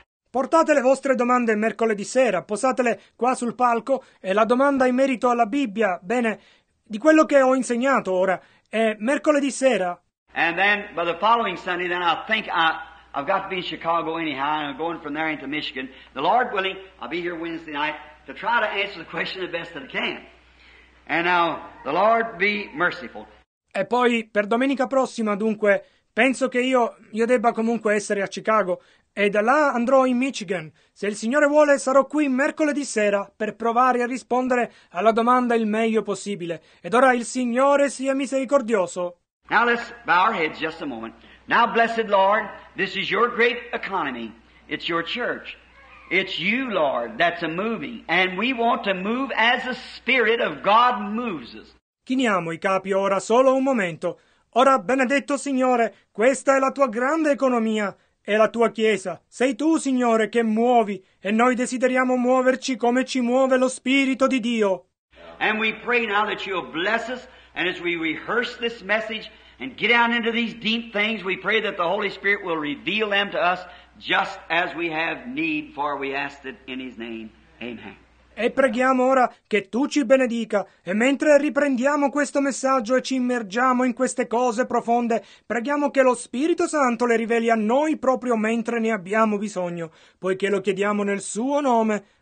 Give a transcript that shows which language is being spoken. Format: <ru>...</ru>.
<it>Portate le vostre domande mercoledì sera, posatele qua sul palco e la domanda in merito alla Bibbia, bene, di quello che ho insegnato ora, è mercoledì sera.</it> <en>And then by the following Sunday, then I think I've got to be in Chicago anyhow, and I'm going from there into Michigan. The Lord willing, I'll be here Wednesday night to try to answer the question the best that I can. And now, the Lord be merciful.</en> <it>E poi per domenica prossima, dunque. Penso che io debba comunque essere a Chicago, e da là andrò in Michigan. Se il Signore vuole, sarò qui mercoledì sera per provare a rispondere alla domanda il meglio possibile. Ed ora il Signore sia misericordioso.</it> <en>Now let's bow our heads just a moment. Now, blessed Lord, this is your great economy. It's your church. It's you, Lord, that's a moving, and we want to move as the Spirit of God moves us.</en> <it>Chiniamo i capi ora solo un momento. Ora, benedetto Signore, questa è la tua grande economia, è la tua Chiesa. Sei tu, Signore, che muovi, e noi desideriamo muoverci come ci muove lo Spirito di Dio.</it> <en>And we pray now that you'll bless us, and as we rehearse this message and get down into these deep things, we pray that the Holy Spirit will reveal them to us just as we have need, for we ask it in His name. Amen.</en> <it>E preghiamo ora che tu ci benedica, e mentre riprendiamo questo messaggio e ci immergiamo in queste cose profonde, preghiamo che lo Spirito Santo le riveli a noi proprio mentre ne abbiamo bisogno, poiché lo chiediamo nel Suo nome.</it>